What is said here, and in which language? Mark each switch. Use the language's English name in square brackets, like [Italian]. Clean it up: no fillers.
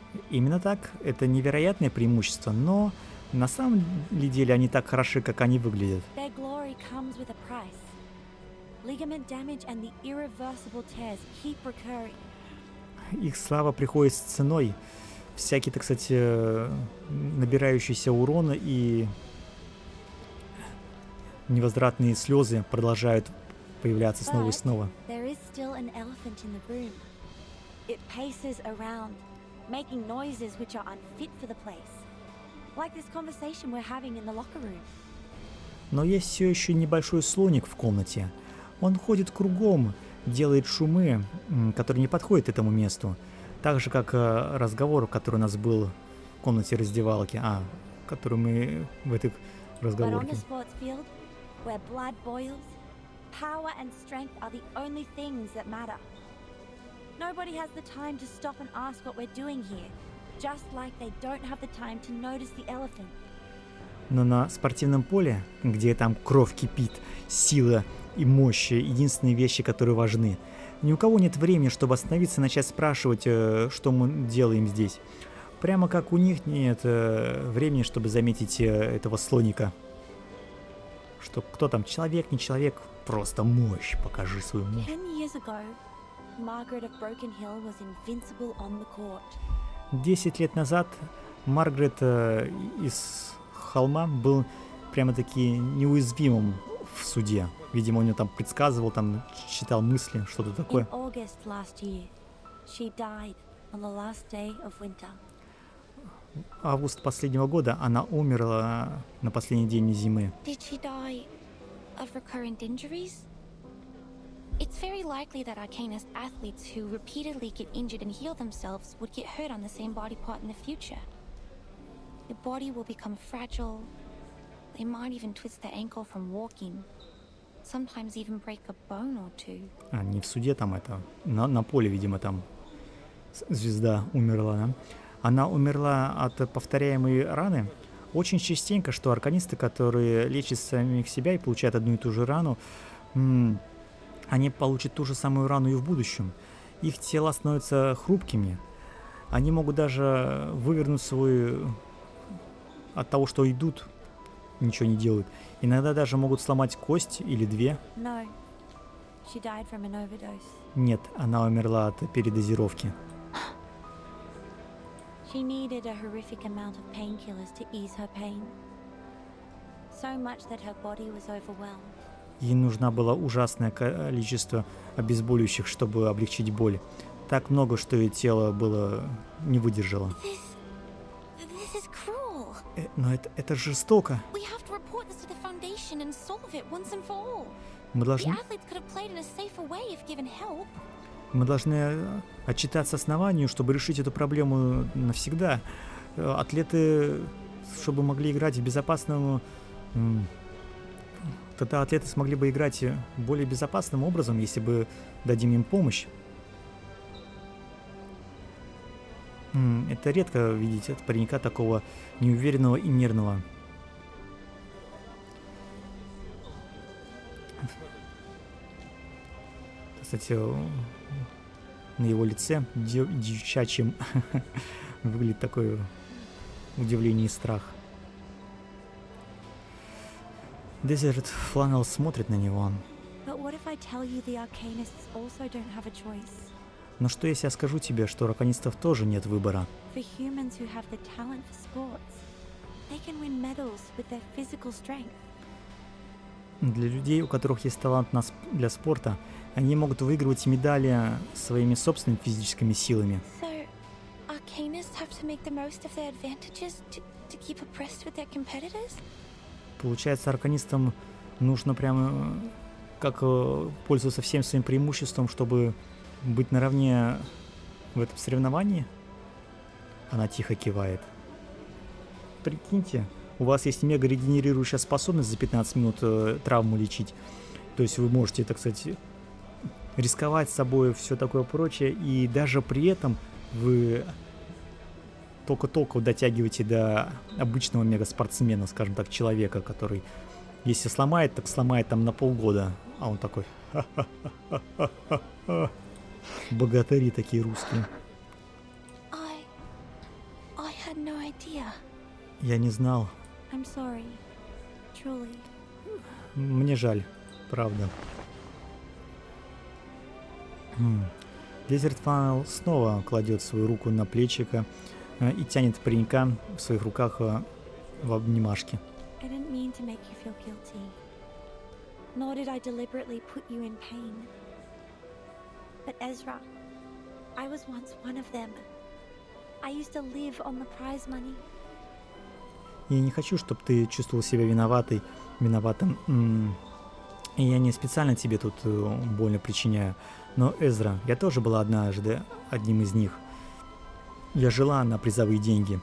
[Russian] Именно так, это невероятное преимущество, но на самом деле они так хороши, как они выглядят. [English] Their glory comes with a price. Ligament damage and the irreversible tears keep recurring. [Russian] Их слава приходит с ценой. Всякие, так сказать, набирающиеся урона и невозвратные слезы продолжают появляться снова и снова. [English] But there is still an elephant in the room. It paces around, making noises which are unfit for the place. Like this conversation we're having in the locker room. [Russian] Но есть все еще небольшой слоник в комнате. Он ходит кругом, делает шумы, которые не подходят этому месту. Так же, как разговор, который у нас был в комнате раздевалки, который мы в этой разговорке. [English] But on the sports field, where blood boils, power and strength are the only things that matter. Nobody has the time to stop and ask what we're doing here, just like they don't have the time to notice the elephant. [Russian] Но на спортивном поле, где там кровь кипит, сила и мощь — единственные вещи, которые важны, ни у кого нет времени, чтобы остановиться и начать спрашивать, что мы делаем здесь. Прямо как у них нет времени, чтобы заметить этого слоника. Что кто там, человек, не человек, просто мощь, покажи свою мощь. [English] Margaret of Broken Hill was invincible on the court. [Russian] 10 лет назад Маргарет из холма был прямо-таки неуязвимым в суде. Видимо, он ее там предсказывал, там читал мысли, что-то такое. [English] In August last year, she died on the last day of winter. [Russian] Август последнего года она умерла на последний день зимы. [English] Did she die of recurrent injuries? It's very likely that arcanist athletes who repeatedly get injured and heal themselves would get hurt on the same body part in the future. The body will become fragile. They might even twist their ankle from walking. Sometimes even break a bone or two. [Russian] А, не в суде там это. На поле, видимо, там звезда умерла, да? Она умерла от повторяемой раны. Очень частенько, что арканисты, которые лечат самих себя и получают одну и ту же рану, они получат ту же самую рану и в будущем. Их тела становятся хрупкими. Они могут даже вывернуть свой... От того, что идут, ничего не делают. Иногда даже могут сломать кость или две. [English] No. She died from an overdose. [Russian] Нет, она умерла от передозировки. [English] She needed a horrific amount of painkillers to ease her pain. So much that her body was overwhelmed. [Russian] Ей нужно было ужасное количество обезболивающих, чтобы облегчить боль. Так много, что ее тело было не выдержало. [English] This is cruel. [Russian] Но это жестоко. [English] We have to report this to the foundation and solve it once and for all. [Russian] Мы должны. [English] The athletes could have played in a safer way if given help. [Russian] Мы должны отчитаться основанию, чтобы решить эту проблему навсегда. Атлеты, чтобы могли играть в безопасном. Тогда атлеты смогли бы играть более безопасным образом, если бы дадим им помощь. Это редко видеть от паренька такого неуверенного и нервного. Кстати, на его лице девчачьим выглядит такое удивление и страх. Desert Flannel смотрит на него. [English] But what if I tell you the Arcanists also don't have a choice? [Russian] Но что если я скажу тебе, что у раконистов тоже нет выбора? [English] For humans who have the talent for sports, they can win medals with their physical strength. [Russian] Для людей, у которых есть талант для спорта, они могут выигрывать медали своими собственными физическими силами. [English] So, arcanists have to make the most of their advantages to keep abreast with their competitors? [Russian] Получается, арканистам нужно прямо как пользоваться всем своим преимуществом, чтобы быть наравне в этом соревновании? Она тихо кивает. Прикиньте, у вас есть мега-регенерирующая способность за 15 минут травму лечить. То есть вы можете, так сказать, рисковать собой, все такое прочее, и даже при этом вы только-только дотягиваете до обычного мега-спортсмена, скажем так, человека, который, если сломает, так сломает там на полгода. А он такой... Богатыри такие русские. [English] I had no idea. [Russian] Я не знал. [English] I'm sorry. Truly. [Russian] Мне жаль, правда. Desert Funnel снова кладет свою руку на плечико и тянет паренька в своих руках в обнимашке. [English] I didn't mean to make you feel guilty. Nor did I deliberately put you in pain. But Ezra, I was once one of them. I used to live on the prize money. [Russian] Я не хочу, чтобы ты чувствовал себя виноватым. И я не специально тебе тут больно причиняю. Но, Эзра, я тоже была однажды одним из них. Я жила на призовые деньги.